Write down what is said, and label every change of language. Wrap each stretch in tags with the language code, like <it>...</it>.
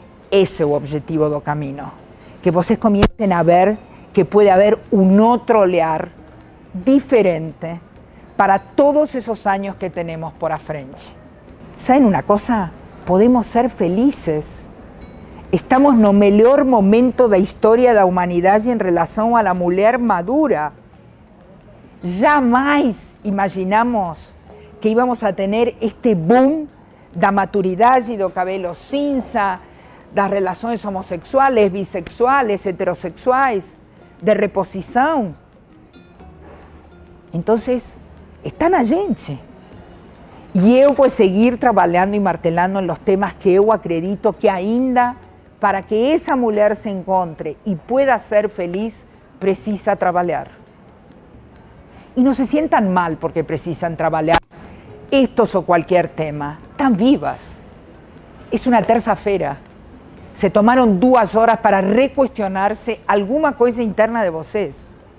<pt>Esse é o objetivo do caminho. Que vocês comecem a ver que pode haver um outro olhar diferente para</pt> <es>todos esos años que tenemos por afrente. ¿Saben una cosa? Podemos ser felices. Estamos en el mejor momento de la historia de la humanidad en relación a la mujer madura. Jamás imaginamos que íbamos a tener este boom de la maturidad y del cabello cinza, de las relaciones homosexuales, bisexuales, heterosexuales, de reposición. Entonces, está en la gente. Y yo voy a seguir trabajando y martelando en los temas que yo acredito que ainda para que esa mujer se encuentre y pueda ser feliz, precisa trabajar. Y no se sientan mal porque precisan trabajar estos o cualquier tema. Están vivas. Es una tercera-feira. Se tomaron 2 horas para recuestionarse alguna cosa interna de vocês.</es>